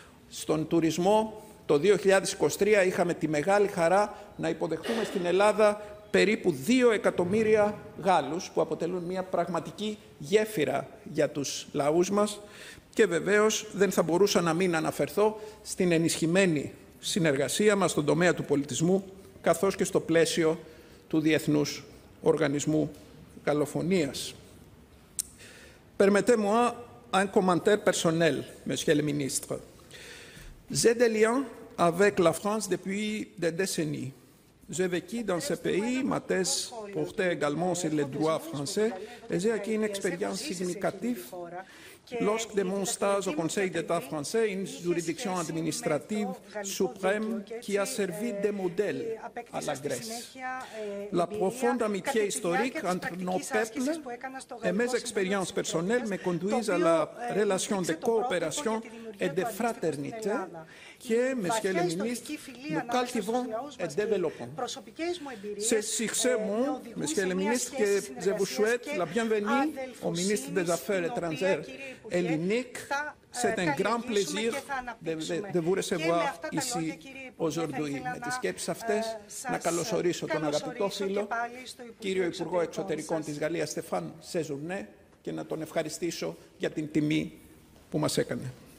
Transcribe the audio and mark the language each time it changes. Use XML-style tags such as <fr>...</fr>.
<el>Στον τουρισμό, το 2023 είχαμε τη μεγάλη χαρά να υποδεχτούμε στην Ελλάδα περίπου 2 εκατομμύρια Γάλλους, που αποτελούν μια πραγματική γέφυρα για τους λαούς μας. Και βεβαίως δεν θα μπορούσα να μην αναφερθώ στην ενισχυμένη συνεργασία μας στον τομέα του πολιτισμού, καθώς και στο πλαίσιο του Διεθνούς Οργανισμού Γαλλοφωνίας.</el> <fr>Permettez-moi un commentaire personnel, monsieur le ministre. J'ai des liens avec la France depuis des décennies. J'ai vécu dans ce pays, ma thèse portait également sur les droits français, et j'ai acquis une expérience significative lorsque de mon stage au Conseil d'État français, une juridiction administrative suprême qui a servi de modèle à la Grèce. La profonde amitié historique entre nos peuples et mes expériences personnelles me conduisent à la relation de coopération et de fraternité que, monsieur le ministre, nous cultivons et développons. C'est sur ce mot, monsieur le ministre, que je vous souhaite la bienvenue au ministre des Affaires étrangères</fr> <el>ελληνικ.</el> <fr>C'est un grand plaisir de vous recevoir ici aujourd'hui.</fr> <el>Με τις σκέψεις αυτές, να καλωσορίσω τον αγαπητό φίλο, κύριο Υπουργό Εξωτερικών της Γαλλίας, Στεφάν Σεζουρνέ, και να τον ευχαριστήσω για την τιμή που μας έκανε.</el>